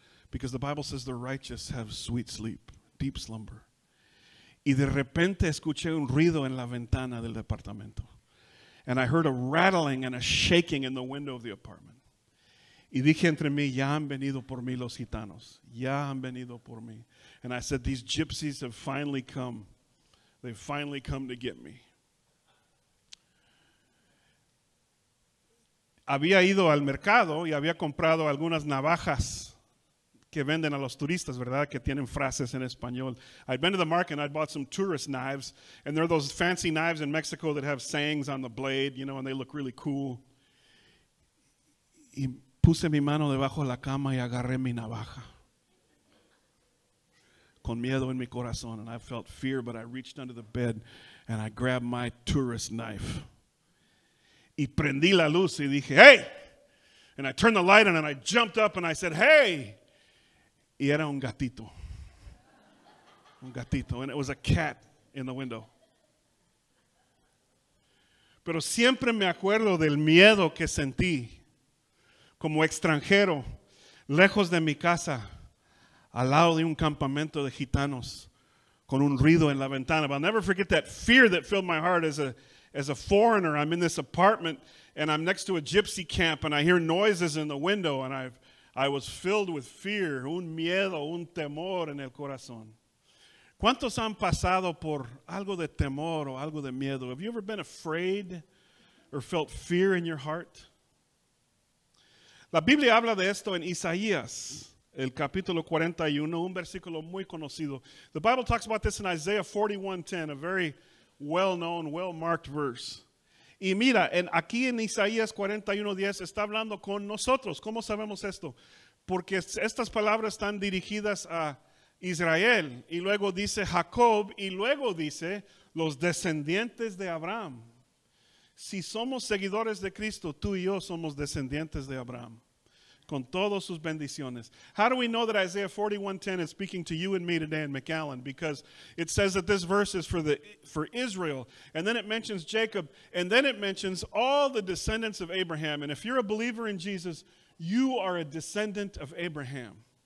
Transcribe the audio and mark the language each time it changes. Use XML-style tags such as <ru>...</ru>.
<en>Because the Bible says the righteous have sweet sleep, deep slumber.</en> <es>Y de repente escuché un ruido en la ventana del departamento.</es> <en>And I heard a rattling and a shaking in the window of the apartment.</en> <es>Y dije entre mí, ya han venido por mí los gitanos. Ya han venido por mí.</es> <en>And I said, these gypsies have finally come. They finally come to get me.</en> <es>Había ido al mercado y había comprado algunas navajas que venden a los turistas, ¿verdad? Que tienen frases en español.</es> <en>I'd been to the market and I'd bought some tourist knives. And they're those fancy knives in Mexico that have sayings on the blade, you know, and they look really cool.</en> <es>Y puse mi mano debajo de la cama y agarré mi navaja. Con miedo en mi corazón,</es> <en>and I felt fear, but I reached under the bed and I grabbed my tourist knife.</en> <es>Y prendí la luz y dije, hey!</es> <en>And I turned the light on and I jumped up and I said, hey!</en> <es>Y era un gatito. Un gatito.</es> <en>And it was a cat in the window.</en> <es>Pero siempre me acuerdo del miedo que sentí como extranjero, lejos de mi casa. Al lado de un campamento de gitanos con un ruido en la ventana.</es> <en>But I'll never forget that fear that filled my heart as a as a foreigner, I'm in this apartment and I'm next to a gypsy camp and I hear noises in the window and I was filled with fear,</en> <es>un miedo, un temor en el corazón. ¿Cuántos han pasado por algo de temor o algo de miedo?</es> <en>Have you ever been afraid or felt fear in your heart?</en> <es>La Biblia habla de esto en Isaías, el capítulo 41, un versículo muy conocido.</es> <en>The Bible talks about this in Isaiah 41:10, a very well-known, well-marked verse.</en> <es>Y mira, aquí en Isaías 41:10 está hablando con nosotros. ¿Cómo sabemos esto? Porque estas palabras están dirigidas a Israel, y luego dice Jacob, y luego dice los descendientes de Abraham. Si somos seguidores de Cristo, tú y yo somos descendientes de Abraham, con todas sus bendiciones.</es> <en>How do we know that Isaiah 41:10 is speaking to you and me today in McAllen? Because it says that this verse is for Israel, and then it mentions Jacob, and then it mentions all the descendants of Abraham. And if you're a believer in Jesus, you are a descendant of Abraham.</en>